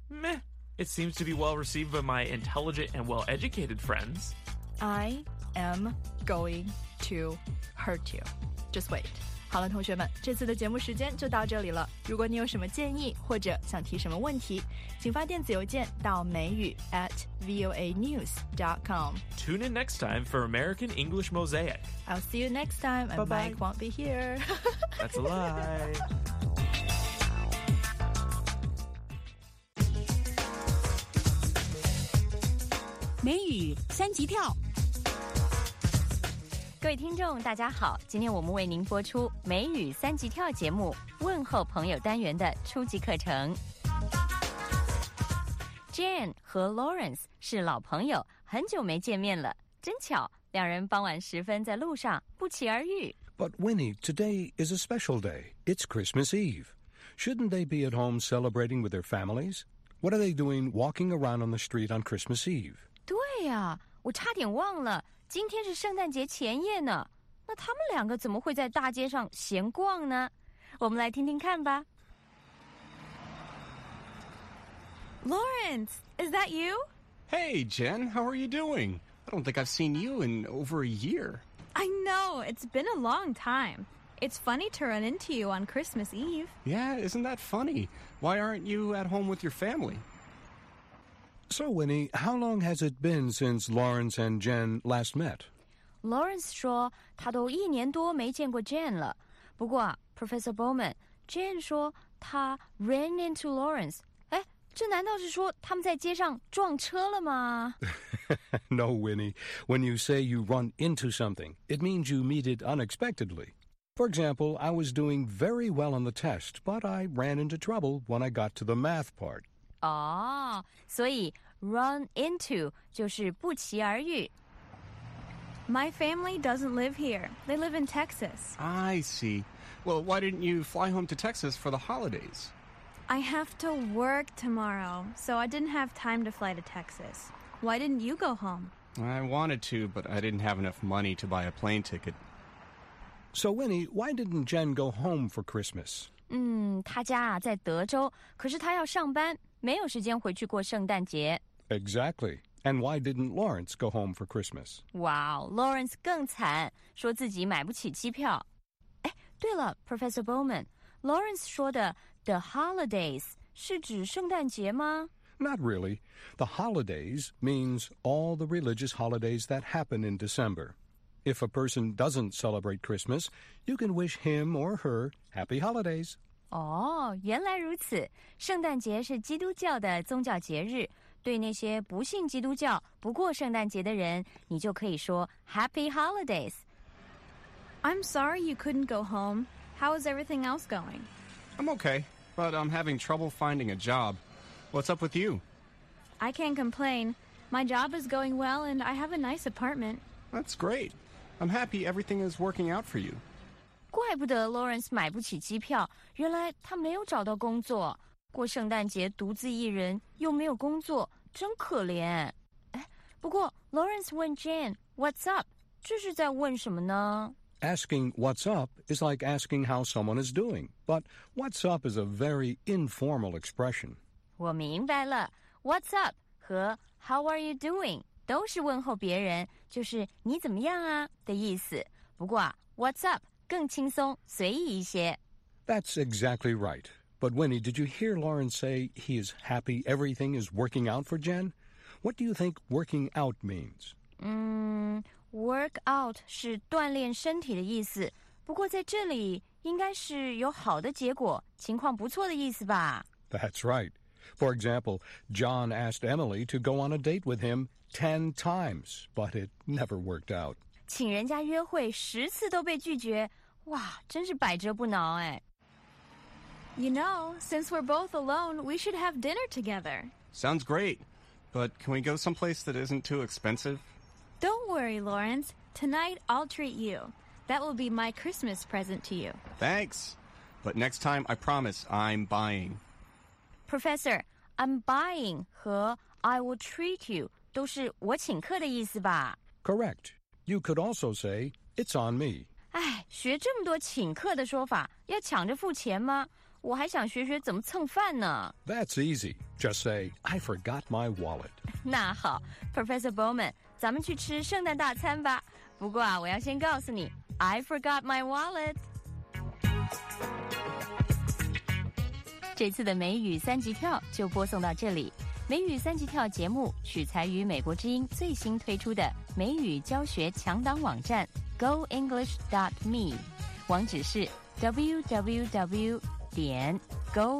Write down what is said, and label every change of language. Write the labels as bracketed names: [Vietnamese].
[English] Meh, it seems to be well received by my intelligent and well-educated friends. I am going to hurt you. Just wait. [Chinese] 好了，同学们，这次的节目时间就到这里了。如果你有什么建议或者想提什么问题，请发电子邮件到美语@voanews.com. [English] Tune in next time for American English Mosaic. I'll see you next time. And Mike won't be here. That's a lie. [Chinese] 美语三级跳。各位听众大家好，今天我们为您播出美语三级跳节目问候朋友单元的初级课程。 Jane 和 Lawrence 是老朋友，很久没见面了，真巧，两人傍晚时分在路上不期而遇。 [English] But Winnie, today is a special day. It's Christmas Eve. Shouldn't they be at home celebrating with their families? What are they doing walking around on the street on Christmas Eve? [Chinese] 对呀、啊，我差点忘了，今天是圣诞节前夜呢。那他们两个怎么会在大街上闲逛呢？我们来听听看吧。 [English] Lawrence, is that you? Hey, Jen, how are you doing? I don't think I've seen you in over a year. I know, it's been a long time. It's funny to run into you on Christmas Eve. Yeah, isn't that funny? Why aren't you at home with your family? So, Winnie, how long has it been since Lawrence and Jen last met? [Chinese] Lawrence 说他都一年多没见过 Jen 了。不过 Professor Bowman, Jen 说他 [English] ran into Lawrence. [Chinese] 这难道是说他们在街上撞车了吗？ [English] No, Winnie. When you say you run into something, it means you meet it unexpectedly. For example, I was doing very well on the test, but I ran into trouble when I got to the math part. [Chinese] 哦、oh, ，所以 [English] run into [Chinese] 就是不期而遇。 [English] My family doesn't live here. They live in Texas. I see. Well, why didn't you fly home to Texas for the holidays? I have to work tomorrow, so I didn't have time to fly to Texas. Why didn't you go home? I wanted to, but I didn't have enough money to buy a plane ticket. So, Winnie, why didn't Jen go home for Christmas? [Chinese] 她家在德州，可是她要上班，没有时间回去过圣诞节。 [English] Exactly. And why didn't Lawrence go home for Christmas? [Chinese] Wow, Lawrence 更惨，说自己买不起机票。哎，对了 ,Professor Bowman, Lawrence 说的 [English] The holidays [Chinese] 是指圣诞节吗？ [English] Not really. The holidays means all the religious holidays that happen in December. If a person doesn't celebrate Christmas, you can wish him or her happy holidays. [Chinese] 哦，原来如此。圣诞节是基督教的宗教节日。对那些不信基督教、不过圣诞节的人，你就可以说 [English] happy holidays. I'm sorry you couldn't go home. How is everything else going? I'm okay, but I'm having trouble finding a job. What's up with you? I can't complain. My job is going well, and I have a nice apartment. That's great. I'm happy everything is working out for you. [Chinese] 怪不得 Lawrence 买不起机票，原来他没有找到工作。过圣诞节独自一人，又没有工作，真可怜。哎，不过 Lawrence 问 Jane, [English] What's up? [Chinese] 这是在问什么呢？ [English] Asking what's up is like asking how someone is doing, but what's up is a very informal expression. [Chinese] 我明白了 , [English] what's up [Chinese] 和 [English] how are you doing [Chinese] 都是问候别人，就是你怎么样啊的意思。不过啊 , [English] what's up [Chinese] 更轻松随意一些。 [English] That's exactly right. But Winnie, did you hear Lawrence say he is happy everything is working out for Jen? What do you think working out means? Work out [Chinese] 是锻炼身体的意思，不过在这里应该是有好的结果，情况不错的意思吧。 [English] That's right. For example, John asked Emily to go on a date with him 10 times, but it never worked out. [Chinese] 请人家约会十次都被拒绝，哇，真是百折不挠哎。 [English] You know, since we're both alone, we should have dinner together. Sounds great, but can we go someplace that isn't too expensive? Don't worry, Lawrence. Tonight, I'll treat you. That will be my Christmas present to you. Thanks. But next time, I promise, I'm buying. Professor, I'm buying [Chinese] 和 [English] I will treat you [Chinese] 都是我请客的意思吧？ [English] Correct. You could also say, it's on me. [Chinese] 哎，学这么多请客的说法，要抢着付钱吗？我还想学学怎么蹭饭呢。 [English] That's easy. Just say, I forgot my wallet. [Chinese] 那好 ,Professor Bowman,咱们去吃圣诞大餐吧。不过啊，我要先告诉你 ， [English] I forgot my wallet。 [Chinese] 这次的美语三级跳就播送到这里。美语三级跳节目取材于美国之音最新推出的美语教学强档网站 goenglish.me， 网址是 www.goenglish.me。